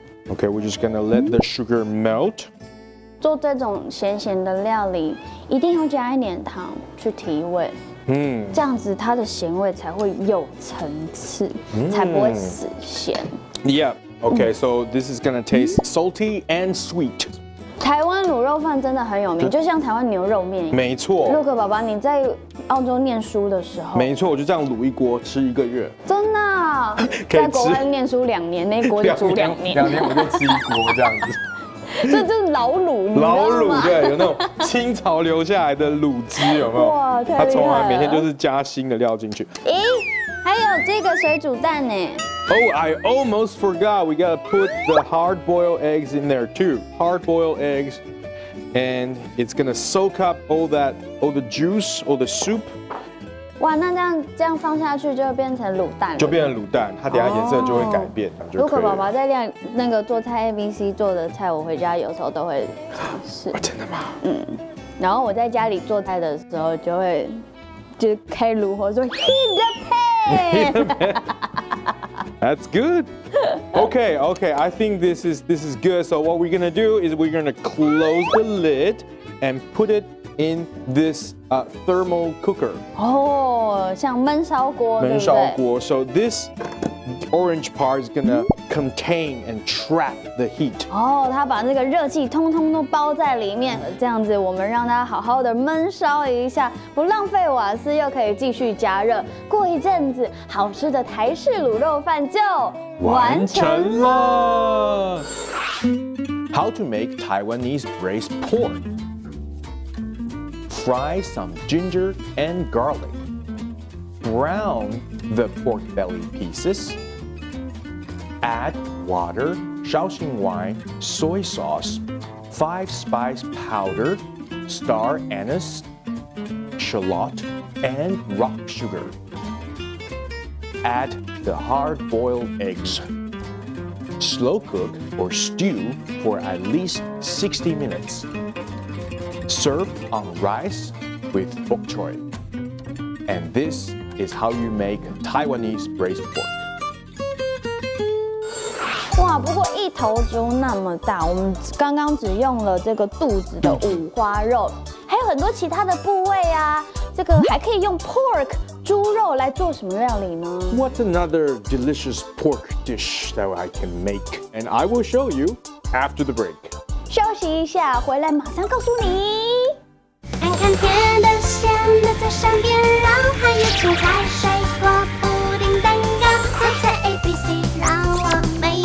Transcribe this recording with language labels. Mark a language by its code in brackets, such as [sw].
[en] Okay, we're just gonna let the sugar melt. [zh] 做这种咸咸的料理，一定要加一点糖去提味。这样子它的咸味才会有层次，才不会死咸。 [en] Yeah. Okay. So this is gonna taste salty and sweet. [zh] 台湾卤肉饭真的很有名，就像台湾牛肉面。没错。 Luke 爸爸，你在澳洲念书的时候，没错，我就这样卤一锅吃一个月。真的。在国外念书两年，那锅就煮两年，两年我就吃一锅这样子。这就是老卤，老卤对，有那种清朝留下来的卤汁，有没有？哇，太厉害了！他从来每天就是加新的料进去。咦，还有这个水煮蛋呢。 [en] Oh, I almost forgot. We gotta put the hard boiled eggs in there too. Hard boiled eggs, and it's gonna soak up all the juice, all the soup. [zh] 哇，那这样放下去就变成卤蛋，就变成卤蛋，它等一下颜色就会改变。如果宝宝在练那个做菜 ABC 做的菜，我回家有时候都会试。真的吗？嗯，然后我在家里做菜的时候就会就开炉火说 [en] Heat the pan. That's good. Okay, okay. I think this is good. So what we're gonna do is we're gonna close the lid and put it. In this thermal cooker. [zh] Oh, 像焖烧锅，对不对？焖烧锅。 [en] So this orange part is gonna contain and trap the heat. [zh] Oh, 它把那个热气通通都包在里面了。这样子，我们让它好好的焖烧一下，不浪费瓦斯，又可以继续加热。过一阵子，好吃的台式卤肉饭就完成了。 [en] How to make Taiwanese braised pork? Fry some ginger and garlic. Brown the pork belly pieces. Add water, Shaoxing wine, soy sauce, five spice powder, star anise, shallot, and rock sugar. Add the hard-boiled eggs. slow cook or stew for at least 60 minutes. Serve on rice with bok choy. And this is how you make Taiwanese braised pork. [zh] 哇，不过一头猪那么大，我们刚刚只用了这个肚子的五花肉，还有很多其他的部位啊，这个还可以用 pork 猪肉来做什么料理吗？ [en] What another delicious pork dish that I can make? And I will show you after the break. [zh] 休息一下，回来马上告诉你。看看甜的咸的在身边，然后还有青菜水果布丁蛋糕，猜猜 A B C，